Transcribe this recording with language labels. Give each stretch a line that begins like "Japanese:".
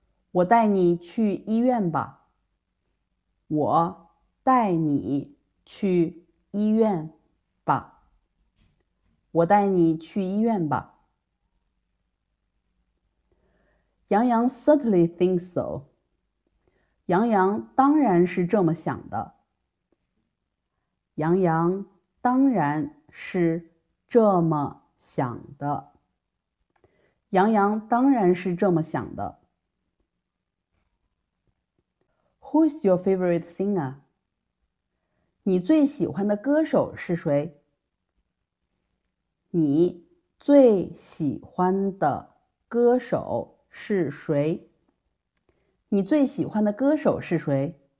Chinese: 我带你去医院吧。我带你去医院吧。我带你去医院吧。
English: Yangyang certainly thinks so.
Chinese: Yangyang 当然是这么想的。Yangyang 当然是这么想的。 Yangyang 当然是这么想的。
English: Who is your favorite singer?
Chinese: 你最喜欢的歌手是谁？你最喜欢的歌手是谁？你最喜欢的歌手是谁？